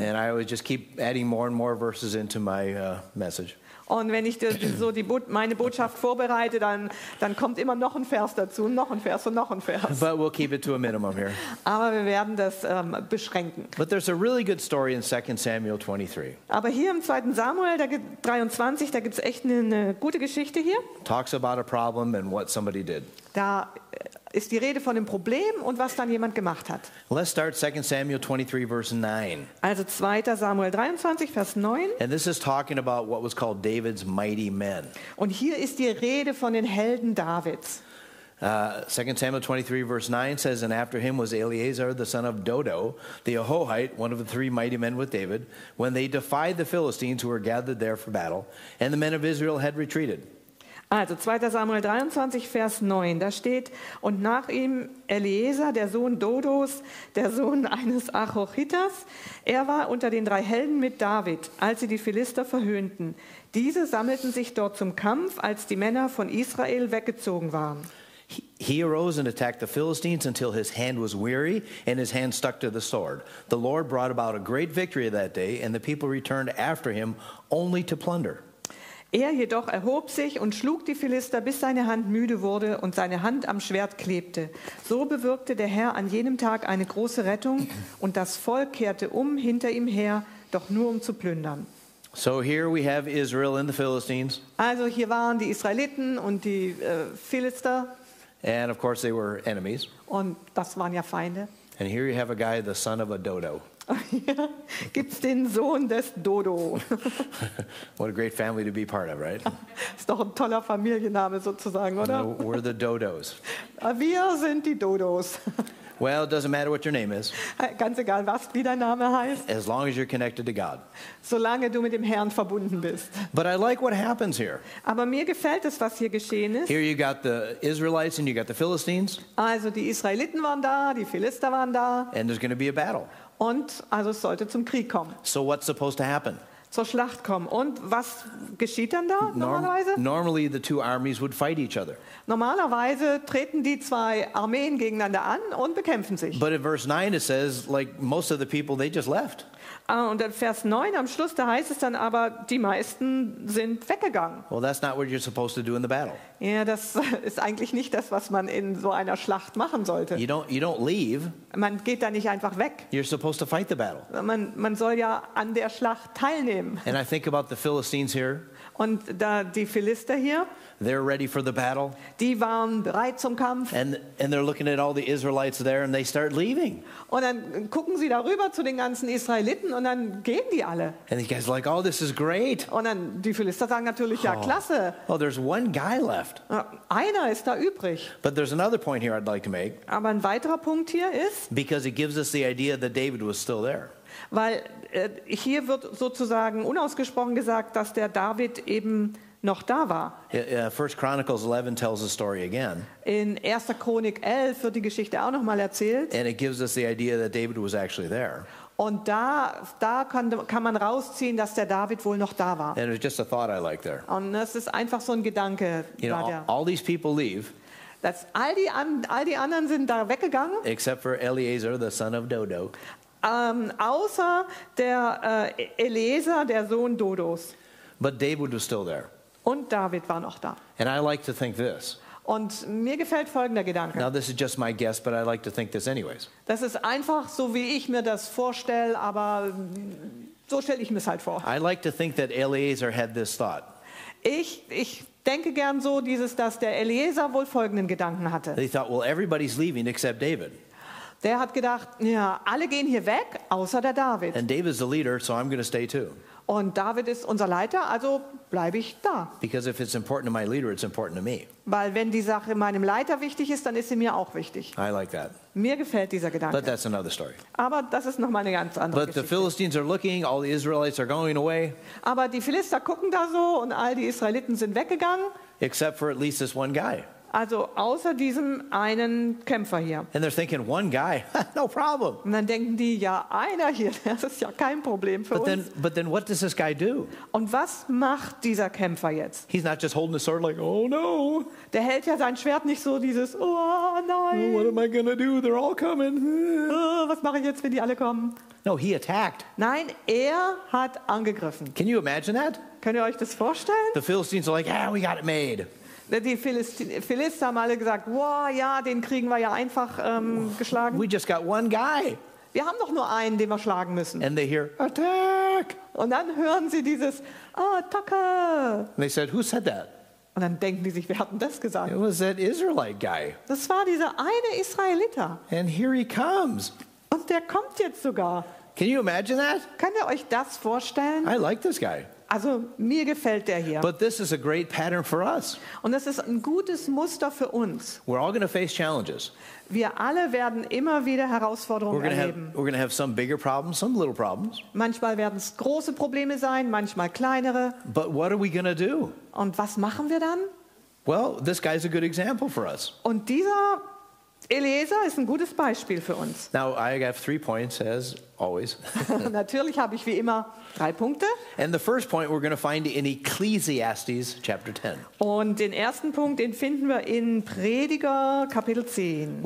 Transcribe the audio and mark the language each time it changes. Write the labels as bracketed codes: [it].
[en] And I always just keep adding more and more verses into my message. [de] Und wenn ich so meine Botschaft vorbereite, dann kommt immer noch ein Vers dazu, noch ein Vers und noch ein Vers. [en] But we'll keep it to a minimum here. [de] Aber wir werden das beschränken. [en] But there's a really good story in 2 Samuel 23. [de] Aber hier im 2. Samuel 23, da gibt es echt eine gute Geschichte hier. [en] Talks about a problem and what somebody did. [de] Da ist die Rede von dem Problem und was dann jemand gemacht hat. [en] Let's start 2 Samuel 23, verse 9. [de] Also 2. Samuel 23, Vers 9. [en] And this is talking about what was called David's mighty men. [de] Und hier ist die Rede von den Helden Davids. [en] 2 Samuel 23, verse 9 says, "And after him was Eleazar, the son of Dodo, the Ahohite, one of the three mighty men with David, when they defied the Philistines who were gathered there for battle, and the men of Israel had retreated." [de] Also 2. Samuel 23, Vers 9, da steht, und nach ihm Eleazar, der Sohn Dodos, der Sohn eines Achochitas. Er war unter den drei Helden mit David, als sie die Philister verhöhnten. Diese sammelten sich dort zum Kampf, als die Männer von Israel weggezogen waren. [en] He arose and attacked the Philistines until his hand was weary and his hand stuck to the sword. The Lord brought about a great victory that day, and the people returned after him only to plunder. [de] Er jedoch erhob sich und schlug die Philister, bis seine Hand müde wurde und seine Hand am Schwert klebte. So bewirkte der Herr an jenem Tag eine große Rettung, und das Volk kehrte um hinter ihm her, doch nur um zu plündern. [en] So here we have Israel and the Philistines. [de] Also hier waren die Israeliten und die Philister. [en] And of course they were enemies. [de] Und das waren ja Feinde. [en] And here you have a guy, the son of a dodo. [de] Gibt's den Sohn des Dodo. [en] What a great family to be part of, right? [de] Ist doch ein toller Familienname sozusagen, oder? [en] We're the Dodos. [de] Wir sind die Dodos. [en] Well, it doesn't matter what your name is. [de] Ganz egal, was wie dein Name heißt. [en] As long as you're connected to God. [de] Solange du mit dem Herrn verbunden bist. [en] But I like what happens here. [de] Aber mir gefällt es, was hier geschehen ist. [en] Here you got the Israelites and you got the Philistines. [de] Also die Israeliten waren da, die Philister waren da. [en] And there's going to be a battle. [de] Und also es sollte zum Krieg kommen. [en] So what's supposed to happen? [de] Zur Schlacht kommen. Und was geschieht dann da normalerweise? [en] Normally the two armies would fight each other. [de] Normalerweise treten die zwei Armeen gegeneinander an und bekämpfen sich. [en] But in verse 9 it says, like most of the people, they just left. [de] Und in Vers 9 am Schluss, da heißt es dann aber, die meisten sind weggegangen. [en] Well, that's not what you're supposed to do in the battle. [de] Ja, das ist eigentlich nicht das, was man in so einer Schlacht machen sollte. [en] You don't leave. [de] Man geht da nicht einfach weg. [en] You're supposed to fight the battle. [de] Man soll ja an der Schlacht teilnehmen. [en] And I think about the Philistines here. [de] Und da die Philister hier. [en] They're ready for the battle. [de] Die waren bereit zum Kampf. [en] And they're looking at all the Israelites there and they start leaving. [de] Und dann gucken sie darüber zu den ganzen Israeliten und dann gehen die alle. [en] And the guys are like, oh, this is great. [de] Und dann die Philister sagen natürlich, ja, klasse. [en] Oh, there's one guy left. [de] Einer ist da übrig. [en] But there's another point here I'd like to make. [de] Aber ein weiterer Punkt hier ist. [en] Because it gives us the idea that David was still there. [de] Weil hier wird sozusagen unausgesprochen gesagt, dass der David eben noch da war. [en] 1 Chronicles 11 tells the story again. [de] In 1. Chronik 11 wird die Geschichte auch noch mal erzählt. [en] And it gives us the idea that David was actually there. [de] Und da kann man rausziehen, dass der David wohl noch da war. [en] And it was just a thought I like there. [de] Und das ist einfach so ein Gedanke. [en] You know, all these people leave. [de] Dass all die anderen sind da weggegangen. [en] Except for Eleazar, the son of Dodo. [de] Außer der Eleazar, der Sohn Dodos. [en] But David was still there. [de] Und David war noch da. [en] And I like to think this. [de] Und mir gefällt folgender Gedanke. [en] Now this is just my guess, but I like to think this anyways. [de] Das ist einfach so, wie ich mir das vorstelle, aber so stelle ich mir es halt vor. [en] I like to think that Eleazar had this thought. [de] Ich denke gern so, dass der Eleazar wohl folgenden Gedanken hatte. [en] He thought, well, everybody's leaving except David. [de] Der hat gedacht, ja, alle gehen hier weg, außer der David. [en] And David's the leader, so I'm going to stay too. [de] Und David ist unser Leiter, also bleibe ich da. [en] Because if it's important to my leader, it's important to me. [de] Weil wenn die Sache meinem Leiter wichtig ist, dann ist sie mir auch wichtig. [en] I like that. [de] Mir gefällt dieser Gedanke. [en] But that's another story. [de] Aber das ist noch mal eine ganz andere [en] But [de] Geschichte. [en] The Philistines are looking, all the Israelites are going away. [de] Aber die Philister gucken da so und all die Israeliten sind weggegangen. [en] Except for at least this one guy. [de] Also außer diesem einen Kämpfer hier. [en] And they're thinking, one guy, no problem. [de] Und dann denken die, ja, einer hier, das ist ja kein Problem für [en] but [de] uns. [en] But then what does this guy do? [de] Und was macht dieser Kämpfer jetzt? [en] He's not just holding the sword like, oh no. [de] Der hält ja sein Schwert nicht so dieses, oh nein. [en] What am I gonna do? They're all coming. [de] Was mache ich jetzt, wenn die alle kommen? [en] No, he attacked. [de] Nein, hat angegriffen. [en] Can you imagine that? [de] Könnt ihr euch das vorstellen? [en] The Philistines are like, yeah, we got it made. [de] Die Philister haben alle gesagt, wow, ja, den kriegen wir ja einfach geschlagen. [en] We just got one guy. [de] Wir haben doch nur einen, den wir schlagen müssen. [en] And they hear, attack. [de] Und dann hören sie dieses, attacke. [en] And they said, who said that? [de] Und dann denken die sich, wer hat denn das gesagt? [en] It was that Israelite guy. [de] Das war dieser eine Israeliter. [en] And here he comes. [de] Und der kommt jetzt sogar. [en] Can you imagine that? [de] Könnt ihr euch das vorstellen? [en] I like this guy. [de] Also mir gefällt der hier. [en] But this is a great pattern for us. [de] Und das ist ein gutes Muster für uns. [en] We're all going to face challenges. [de] Wir alle werden immer wieder Herausforderungen erleben. [en] We're going to have some bigger problems, some little problems. [de] Manchmal werden es große Probleme sein, manchmal kleinere. [en] But what are we going to do? [de] Und was machen wir dann? [en] Well, this guy's a good example for us. [de] Und dieser Eliezer ist ein gutes Beispiel für uns. [en] Now, I have 3 points, as always. [de] Natürlich habe ich wie immer 3 Punkte. [en] And the first point we're going to find in Ecclesiastes chapter 10. [de] Und den ersten Punkt, den finden wir in Prediger Kapitel 10.